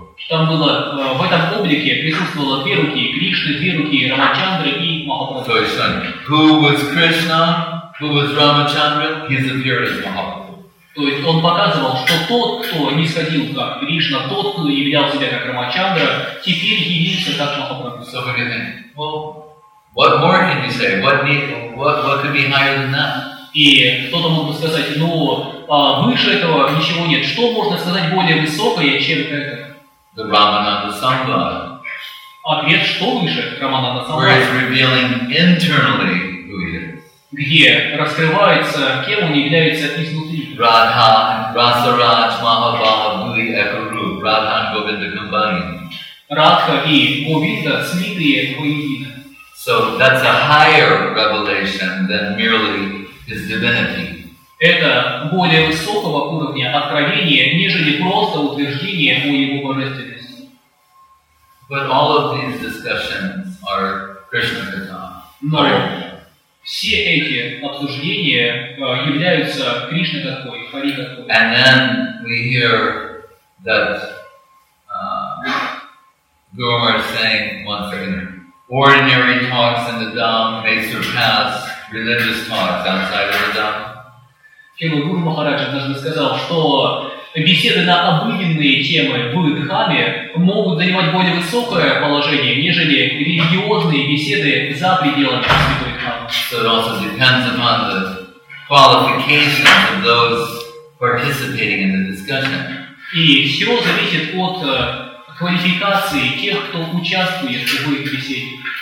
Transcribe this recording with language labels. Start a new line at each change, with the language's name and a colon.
Russian: Там было, в этом облике присутствовало две руки Кришны, две руки Рамачандры и Махапрабху. То есть,
English: who was Krishna, who was Ramachandra, his appearance Mahaprabhu.
Russian: То есть он показывал, что тот, кто не сходил как Кришна, тот, кто являл себя как Рамачандра, теперь явился как Махапрабху.
English: So what do you think? Well, what more can you say? What could be higher than that?
Russian: И кто-то мог бы сказать, ну, выше этого ничего нет. Что можно сказать более высокое, чем это?
English: The Ramananda Sangha.
Russian: Ответ, что выше Рамананда Сангха?
English: Where is revealing internally who he is.
Russian: Где раскрывается, кем он является изнутри.
English: Radha, Rasaraj, Mahabhava, Bhuli, Ekaru, Radha and Govinda combined.
Russian: Radha и Govinda слитые воедино.
English: So that's a higher revelation than merely his divinity.
Russian: Это более высокого уровня откровения, нежели просто утверждение о его божественности.
English: But all of these discussions are Krishna katha.
Russian: Но все эти обсуждения являются Кришна катхой, Хари катхой.
English: And then we hear that Gurumar is saying once again, ordinary talks in the Dham may surpass religious talks outside of the Dham.
Russian: Гуру Махараджа даже сказал, что беседы на обыденные темы в Дхаме могут занимать более высокое положение, нежели религиозные беседы за пределами Святой Дхамы.
English: So it also depends upon the qualifications of those participating in the discussion.
Russian: И все зависит от квалификации тех, кто участвует в этой беседе.